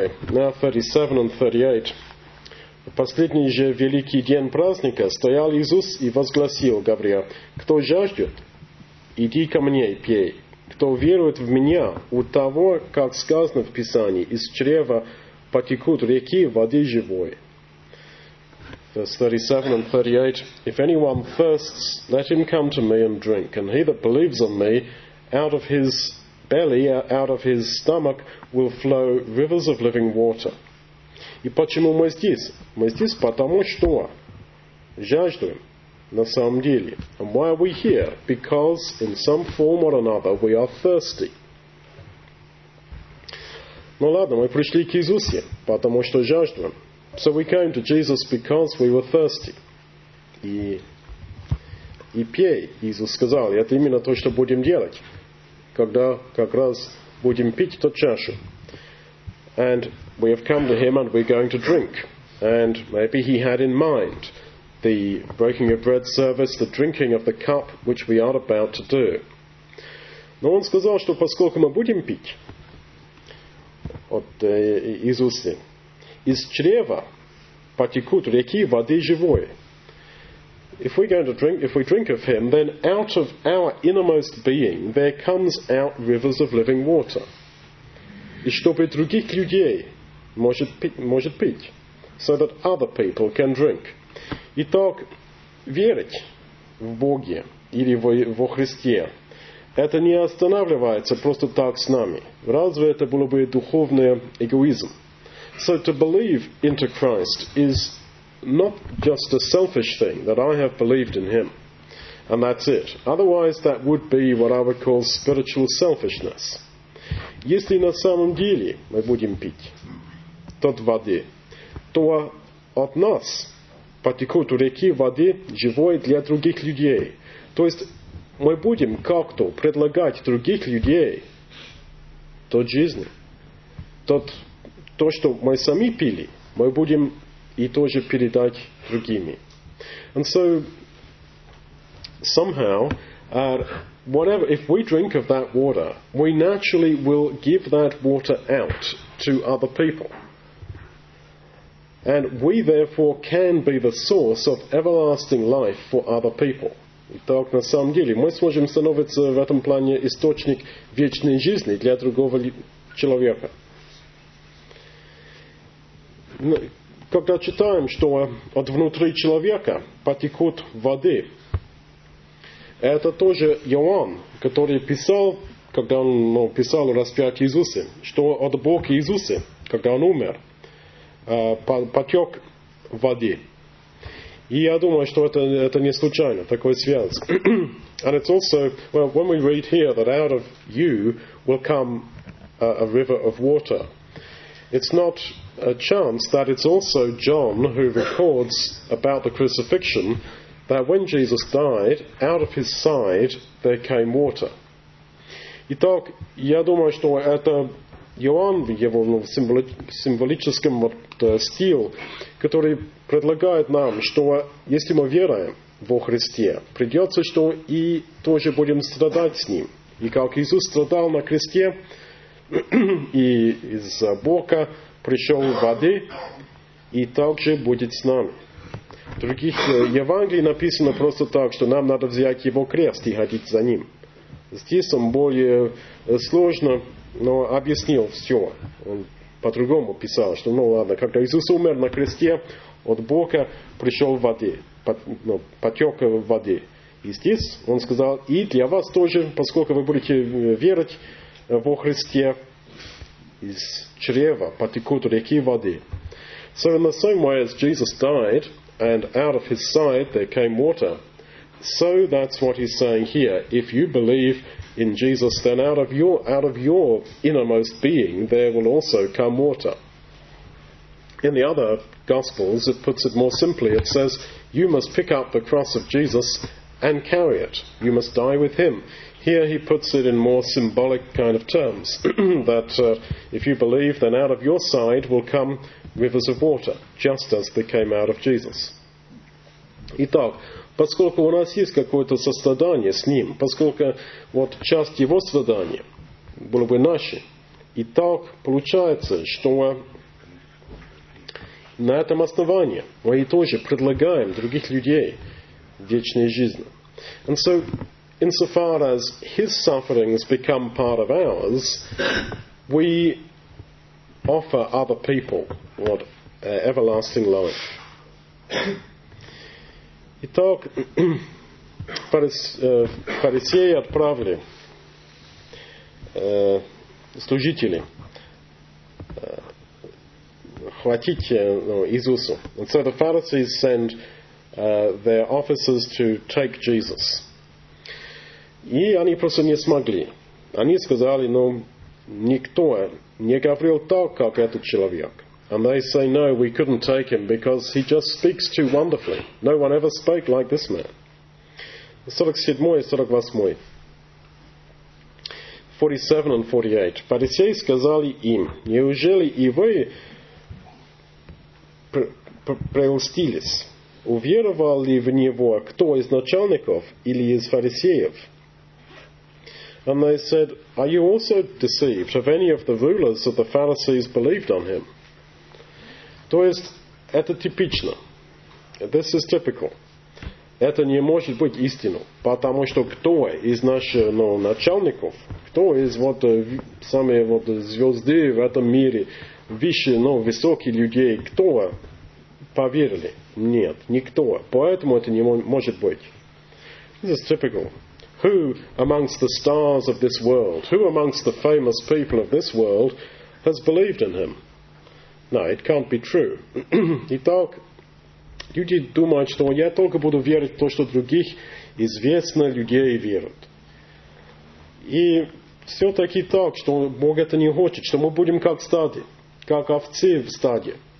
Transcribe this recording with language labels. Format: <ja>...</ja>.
<en>Now 37 and 38.</en> <ru>В последний же великий день праздника стоял Иисус и возгласил, говоря, «Кто жаждет, иди ко мне и пей. Кто верует в меня, у того, как сказано в Писании, из чрева потекут реки воды живой».</ru> <en>Verse 37 and 38. If anyone thirsts, let him come to me and drink. And he that believes on me, out of his belly, out of his stomach, will flow rivers of living water.</en> <ru>И почему мы здесь? Мы здесь потому что жаждем на самом деле.</ru> <en>And why are we here? Because in some form or another we are thirsty.</en> <ru>Ну ладно, мы пришли к Иисусу, потому что жаждем.</ru> <en>So we came to Jesus because we were thirsty.</en> <ru>И пей, Иисус сказал, и это именно то, что будем делать, когда как раз будем пить ту чашу.</ru> <en>And we have come to him and we're going to drink. And maybe he had in mind the breaking of bread service, the drinking of the cup, which we are about to do.</en> <ru>Но он сказал, что поскольку мы будем пить от Иисуса, из чрева потекут реки воды живой.</ru> <en>If we're going to drink, if we drink of him, then out of our innermost being there comes out rivers of living water.</en> <ru>И чтобы других людей может пить,</ru> <en>so that other people can drink.</en> <ru>Итак, верить в Боге или во Христе, это не останавливается просто так с нами. Разве это было бы духовный эгоизм?</ru> <en>So to believe into Christ is not just a selfish thing, that I have believed in him, and that's it. Otherwise, that would be what I would call spiritual selfishness.</en> <ru>Если на самом деле мы будем пить тот воды, то от нас потекут реки воды живой для других людей. То есть мы будем как-то предлагать других людей тот жизнь, то, что мы сами пили, мы будем и тоже передать другими.</ru> <en>And so, somehow, whatever, if we drink of that water, we naturally will give that water out to other people. And we, therefore, can be the source of everlasting life for other people.</en> <ru>Итак, на самом деле, мы сможем становиться в этом плане источник вечной жизни для другого человека. Когда читаем, что от внутри человека потекут воды, это тоже Иоанн, который писал, когда он писал распятие Иисуса, что от Бога Иисуса, когда он умер, потек воды. И я думаю, что это не случайно, такой связь.</ru> <en>And it's also, well, when we read here that out of you will come a river of water, it's not a chance that it's also John who records about the crucifixion that when Jesus died, out of his side there came water.</en> <ru>Итак, я думаю, что это Иоанн в его символическом стиле, который предлагает нам, что если мы веруем во Христе, придется, что и тоже будем страдать с ним. И как Иисус страдал на кресте, и из Бога пришел воды, и так же будет с нами. В других Евангелиях написано просто так, что нам надо взять его крест и ходить за ним. Здесь он более сложно, но объяснил все. Он по-другому писал, что когда Иисус умер на кресте, от Бога пришел воды, потек воды. И здесь он сказал, и для вас тоже, поскольку вы будете верить во Христе, из чрева потекут реки воды.</ru> <en>So in the same way as Jesus died, and out of his side there came water, so that's what he's saying here. If you believe in Jesus, then out of your innermost being there will also come water. In the other Gospels, it puts it more simply. It says, you must pick up the cross of Jesus and carry it. You must die with him. Here he puts it in more symbolic kind of terms, that if you believe, then out of your side will come rivers of water, just as they came out of Jesus.</en> <ru>Итак, поскольку у нас есть какое-то сострадание с ним, поскольку вот часть его страдания была бы наша, итак, получается, что на этом основании мы тоже предлагаем других людей вечную жизнь.</ru> <en>And so, insofar as his sufferings become part of ours, we offer other people what everlasting life.</en> <ru>Итак, фарисеи отправили служителей хватить Иисуса.</ru> <en>And so the Pharisees send their officers to take Jesus.</en> <ru>И они просто не смогли. Они сказали, никто не говорил так, как этот человек.</ru> <en>And they say, no, we couldn't take him because he just speaks too wonderfully. No one ever spoke like this man. 47 and 48.</en> <ru>Фарисеи сказали им, неужели и вы преустились? уверовал ли в него кто из начальников или из фарисеев?</ru> <en>And they said, are you also deceived? Have any of the rulers of the Pharisees believed on him?</en> <ru>То есть, это типично.</ru> <en>This is typical.</en> <ru>Это не может быть истину, потому что кто из наших начальников, кто из самых звезды в этом мире, высоких людей, кто поверили? Нет, никто. Поэтому это не может быть.</ru> <en>This is typical. Who amongst the stars of this world, who amongst the famous people of this world has believed in him? No, it can't be true.</en> <ru>Итак, люди думают, что я только буду верить в то, что других известных людей верят. И все-таки так, что Бог это не хочет, что мы будем как стадо, как овцы в стаде.</ru>